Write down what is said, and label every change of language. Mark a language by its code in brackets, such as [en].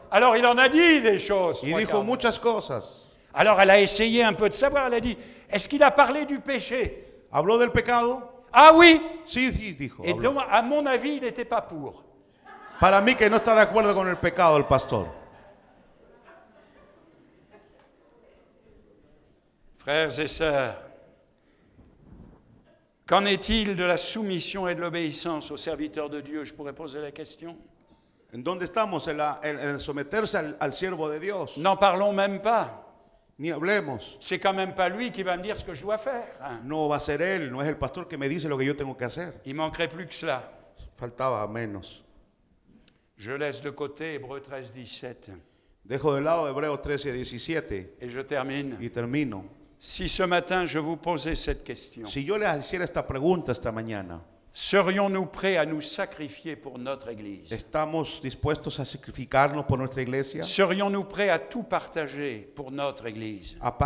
[fr] Alors il en a dit des choses. [es] Y dijo muchas cosas. [fr] Alors elle a essayé un peu de savoir. Elle a dit, est-ce qu'il a parlé du péché? [es] Habló del pecado? [fr] Ah oui! [es] Sí, sí, dijo. [fr] Et donc, à mon avis, il n'était pas pour. [es] Para mí que no está de acuerdo con el pecado el pastor. [fr] Frères et sœurs, qu'en est-il de la soumission et de l'obéissance aux serviteurs de Dieu? Je pourrais poser la question. [es] ¿En dónde estamos en someterse al siervo de Dios? [fr] N'en parlons même pas. [es] Ni hablemos. [fr] C'est quand même pas lui qui va me dire ce que je dois faire. [es] No va a ser él, no es el pastor que me dice lo que yo tengo que hacer. [fr] Il manquerait plus que cela. [es] Faltaba menos. [fr] Je laisse de côté Hébreux 13, 17. [es] Dejo de lado Hébreux 13, 17. [fr] Et je termine. [es] Y termino. [fr] Si ce matin je vous posais cette question, [es] si yo le hiciera esta pregunta esta mañana, [fr] serions-nous prêts à nous sacrifier pour notre Église? [es] Estamos dispuestos a sacrificarnos por nuestra iglesia? [fr] Serions-nous prêts à tout partager pour notre Église?